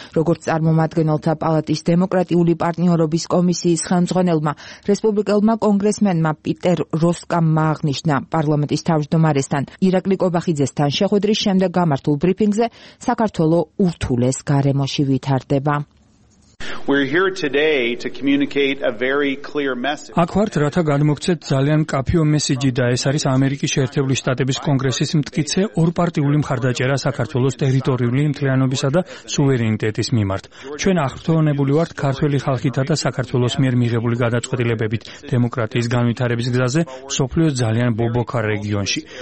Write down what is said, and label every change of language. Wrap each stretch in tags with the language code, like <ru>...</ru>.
<ka>როგორც წარმომადგენელთა პალატის დემოკრატიული პარტნიორობის კომისიის ხელმძღვანელმა რესპუბლიკელმა კონგრესმენმა პიტერ როსკამმა აღნიშნა პარლამენტის თავმჯდომარესთან ირაკლი კობახიძესთან შეხვედრის შემდეგ გამართულ ბრიფინგზე, საქართველო ურთულეს გარემოში ვითარდება.</ka> <en>We're here today to communicate a very clear message.</en> <ka>აქ ვართ, რათა განმოგცეთ ძალიან კაფიო მესიჯი და ეს არის ამერიკის შეერთებული შტატების კონგრესის მტკიცე ორპარტიული მხარდაჭერა საქართველოს ტერიტორიული მთლიანობისა და სუვერენიტეტის მიმართ. ჩვენ აღფრთოვანებული ვართ ქართველი ხალხითა და საქართველოს მიერ მიღებული გადაწყვეტილებებით დემოკრატიის განვითარების გზაზე სოფლიოს ძალიან ბობოქარ რეგიონში.</ka>